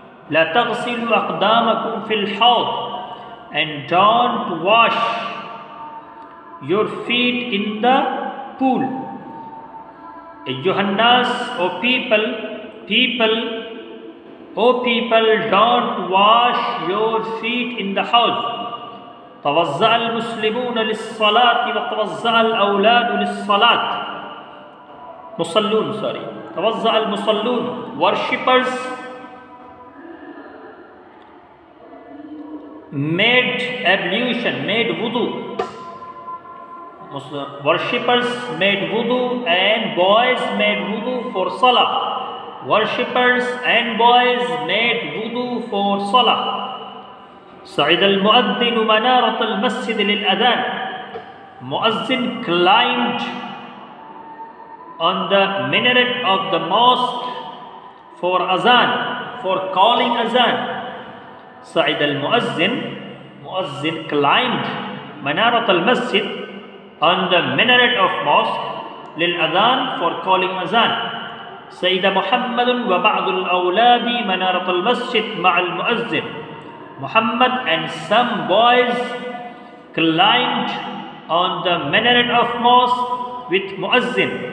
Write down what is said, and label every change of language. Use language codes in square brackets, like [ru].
[ar] لا تغسل أقدامكم في الحوض. [en] And don't wash your feet in the pool. [ar] أيها الناس, [en] oh people, people, oh people, don't wash your feet in the house. [ar] توضأ المسلمون للصلاة وتوضأ الأولاد للصلاة. مصلون, [en] sorry. [ar] توضأ المصلون, [en] worshippers, made ablution, made wudu. Muslim worshippers made wudu and boys made wudu for salah. Worshippers and boys made wudu for salah. [ar] سعد المؤذن منارة المسجد للأذان. [en] Muazzin climbed on the minaret of the mosque for azan, for calling azan. [ar] سعد المؤذن, [en] Muazzin climbed [ar] منارة المسجد [en] on the minaret of mosque [ar] للأذان [en] for calling azan. [ar] سيد محمد وبعض الأولاد منارة المسجد مع المؤذن. [en] Muhammad and some boys climbed on the minaret of mosque with Muazzin.